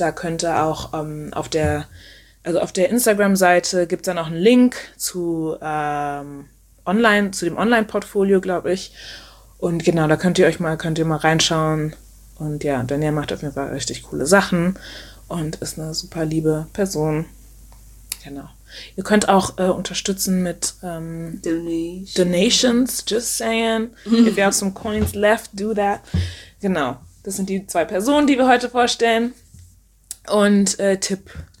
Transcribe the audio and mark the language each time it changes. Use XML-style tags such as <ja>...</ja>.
<de>Da könnte auch auf der Instagram-Seite gibt es dann auch einen Link zu online, zu dem Online-Portfolio, glaube ich. Und genau, da könnt ihr mal reinschauen. Und ja, Daniel macht auf jeden Fall richtig coole Sachen und ist eine super liebe Person. Genau. Ihr könnt auch unterstützen mit</de> <en>Donations, just saying. If you have some coins left, do that.</en> <de>Genau. Das sind die zwei Personen, die wir heute vorstellen. Und Tipp.</de>